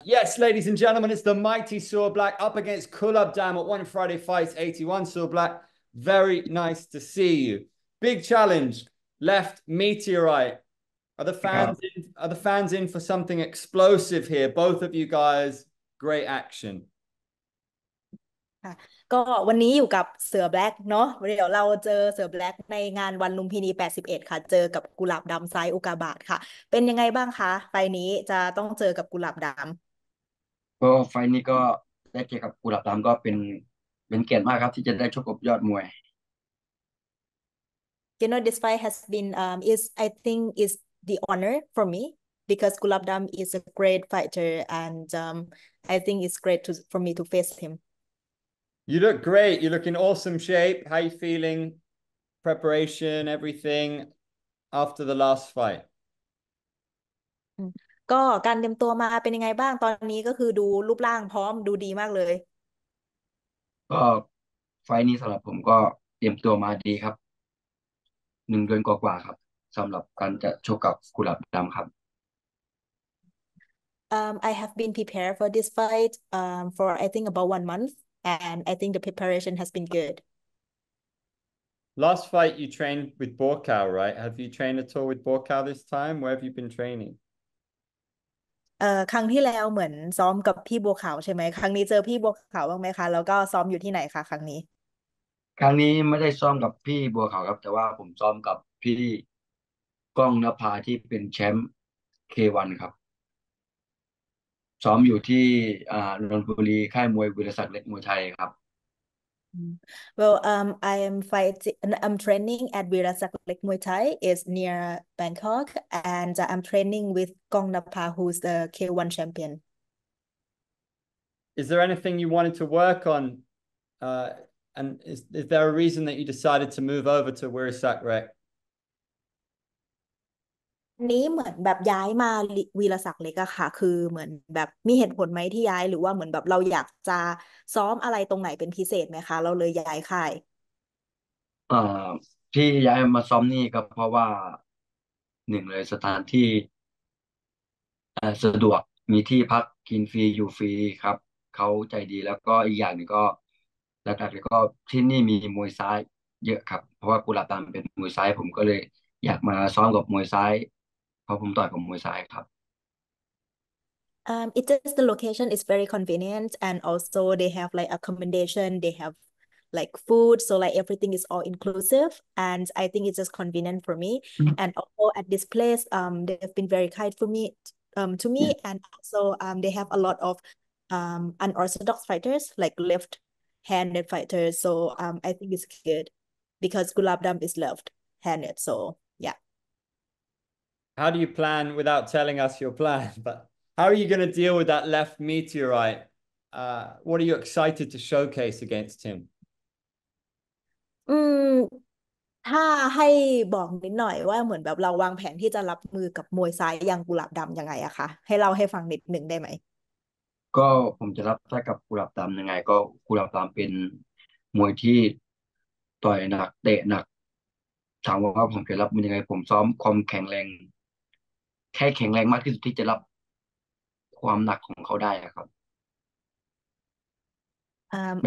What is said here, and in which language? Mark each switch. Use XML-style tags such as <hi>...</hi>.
<en>Yes, ladies and gentlemen, it's the mighty Saw Black up against Kulub Dam at One Friday Fights 81. Saw Black, very nice to see you. Big challenge, left meteorite. Are the fans in for something explosive here? Both of you guys, great action.</en> <th>ก็วันนี้อยู่กับเสือแบล็กเนาะเดี๋ยวเราเจอเสือแบล็กในงานวันลุมพินี81ค่ะเจอกับกุหลาบดำไซส์อุกาบาทค่ะเป็นยังไงบ้างคะไฟนี้จะต้องเจอกับกุหลาบดำ ก็ไฟนี้ก็ได้เกียรติกับกุหลาบดำก็เป็นเกียรติมากครับที่จะได้ชกกับยอดมวย</th> <en>You know this fight has been is I think is the honor for me because Gulab Dam is a great fighter and I think it's great to for me to face him. You look great. You look in awesome shape. How are you feeling? Preparation, everything after the last fight.</en> <th>ก็การเตรียมตัวมาเป็นยังไงบ้างตอนนี้ก็คือดูรูปร่างพร้อมดูดีมากเลย ก็ไฟนี้สำหรับผมก็เตรียมตัวมาดีครับ1 เดือนกว่าๆครับสำหรับการจะชกกับกุหลาบดำครับ</th> <en>I have been prepared for this fight for I think about 1 month and I think the preparation has been good. Last fight you trained with Borkow, right? Have you trained at all with Borkow this time? Where have you been training?</en> <th>ครั้งที่แล้วเหมือนซ้อมกับพี่บัวขาวใช่ไหมครั้งนี้เจอพี่บัวขาวบ้างไหมคะแล้วก็ซ้อมอยู่ที่ไหนคะครั้งนี้ ครั้งนี้ไม่ได้ซ้อมกับพี่บัวขาวครับแต่ว่าผมซ้อมกับพี่ก้องนภาที่เป็นแชมป์ K1 ครับซ้อมอยู่ที่นนทบุรีค่ายมวยวีรศักดิ์เล็กมวยไทยครับ</th> <en>Well, I am fighting. I'm training at Wirasak Lek Muay Thai. It's near Bangkok, and I'm training with Kong Napa, who's the K1 champion. Is there anything you wanted to work on? And is there a reason that you decided to move over to Wirasak Rek?</en> <th>นี้เหมือนแบบย้ายมาวีรศักดิ์เล็กอะค่ะคือเหมือนแบบมีเหตุผลไหมที่ย้ายหรือว่าเหมือนแบบเราอยากจะซ้อมอะไรตรงไหนเป็นพิเศษไหมคะเราเลยย้ายค่าย ที่ย้ายมาซ้อมนี่ก็เพราะว่า1เลยสถานที่สะดวกมีที่พักกินฟรีอยู่ฟรีครับเขาใจดีแล้วก็อีกอย่างนึงก็หลักๆแล้วก็ที่นี่มีมวยซ้ายเยอะครับเพราะว่ากุหลาบดำเป็นมวยซ้ายผมก็เลยอยากมาซ้อมกับมวยซ้ายเพราะผมต่อยกับมวยซ้ายครับ</th> <en>It's just the location is very convenient and also they have like accommodation, they have like food, so like everything is all inclusive and I think it's just convenient for me. And also at this place, they've been very kind for me to me and also they have a lot of unorthodox fighters, like left-handed fighters. So I think it's good because Gulab Dam is left-handed, so How do you plan without telling us your plan? But how are you going to deal with that left meteorite? What are you excited to showcase against him?</en> <th>ถ้าให้บอกนิดหน่อยว่าเหมือนแบบเราวางแผนที่จะรับมือกับมวยซ้ายอย่างกุหลาบดำยังไงอะคะให้เล่าให้ฟังนิดหนึ่งได้ไหม ก็ผมจะรับท้ากับกุหลาบดำยังไงก็กุหลาบดำเป็นมวยที่ต่อยหนักเตะหนักถามว่าผมจะรับมือยังไงผมซ้อมความแข็งแรงแค่แข็งแรงมากที่สุดที่จะรับความหนักของเขาได้ครับแบ</th>